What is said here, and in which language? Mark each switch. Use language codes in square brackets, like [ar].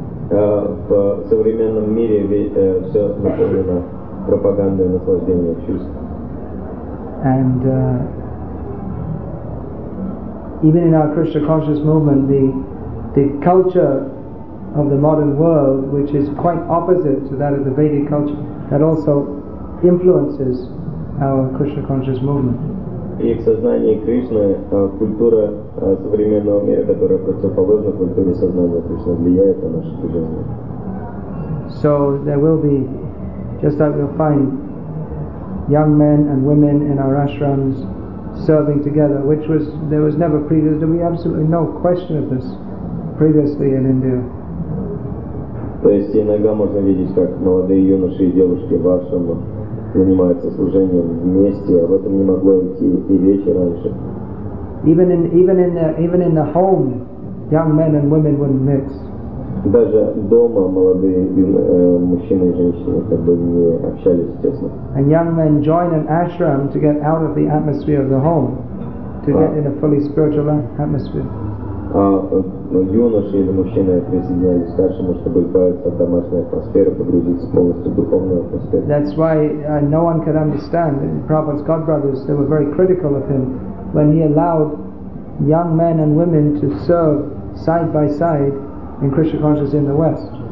[ru] В современном мире все наполнено пропагандой наслаждения чувств. [en] And even in our Krishna conscious movement, the culture of the modern world, which is quite opposite to that of the Vedic culture, that also influences our Krishna conscious movement. [ru] И в сознании Кришны культура современного мира, которая противоположна культуре сознания Кришны, влияет на наше движение. [en] So there will be, just like we'll find, young men and women in our ashrams serving together, which was there was never previous. There was absolutely no question of this previously in India. [ru] То есть иногда можно видеть, как молодые юноши и девушки в ашрамах занимаются служением вместе, об этом не могло идти и речи раньше. [en] Even in the home, young men and women wouldn't mix. [ru] Даже дома молодые мужчины и женщины как бы не общались тесно. [en] And young men join an ashram to get out of the atmosphere of the home, to get in a fully spiritual atmosphere. [ru] Юноши или мужчины присоединялись к старшему, чтобы избавиться от домашней атмосферы, погрузиться полностью в духовную атмосферу. [en] That's why no one can understand. Prabhupada's godbrothers, they were very critical of him when he allowed young men and women to serve side by side in Krishna consciousness in the West.